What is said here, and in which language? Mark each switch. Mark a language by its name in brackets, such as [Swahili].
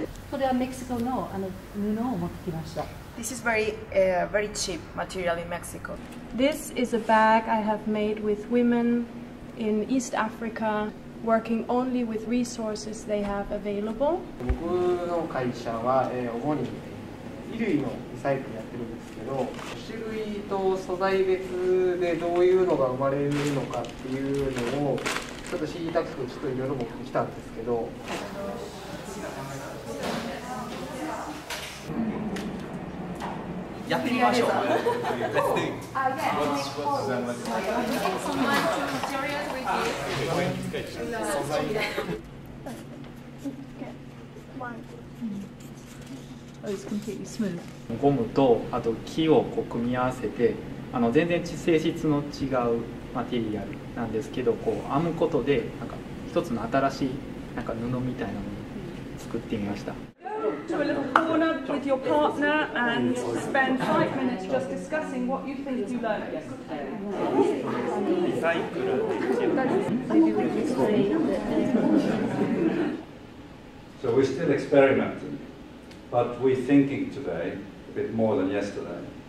[Japanese] これはメキシコの、あの、布を持ってきました。 [English] This is very, very cheap material in Mexico. This is a bag I have made with women in East Africa. Working only with resources they have available. [Japanese] 僕の会社は、主に衣類のリサイクルやってるんですけど、種類と素材別でどういうのが生まれるのかっていうのをちょっと知りたくてちょっといろいろ持ってきたんですけど。やってみましょう。ゴムとあと木をこう組み合わせて、あの全然性質の違うマテリアルなんですけど、こう編むことでなんか一つの新しいなんか布みたいなものを作ってみました。 [English] To a little corner with your partner and spend 5 minutes just discussing what you think you learned. So we're still experimenting, but we're thinking today a bit more than yesterday.